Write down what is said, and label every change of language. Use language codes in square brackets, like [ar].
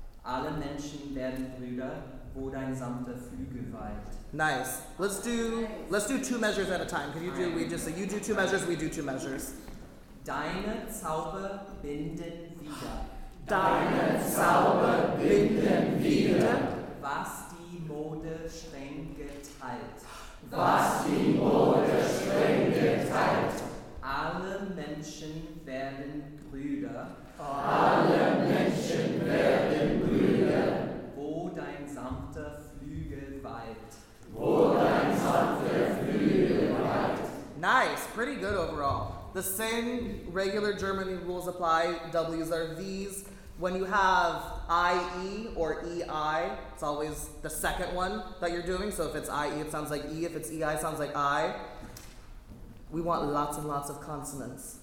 [de] Alle Menschen werden Brüder, wo dein sanfter Flügel weilt. [en] Nice. Let's do two measures at a time. Can you do? We just say you do two measures. We do two measures. [de] Deine Zauber binden wieder. Deine Zauber binden wieder. Was die Mode streng geteilt. Was die Mode streng geteilt. Alle Menschen werden Brüder. Alle Menschen werden Brüder. Wo dein sanfter Flügel weilt. [en] Nice, pretty good overall. The same regular German rules apply. W's are V's. When you have IE or EI, it's always the second one that you're doing. So if it's IE, it sounds like E. If it's EI, it sounds like I. We want lots and lots of consonants.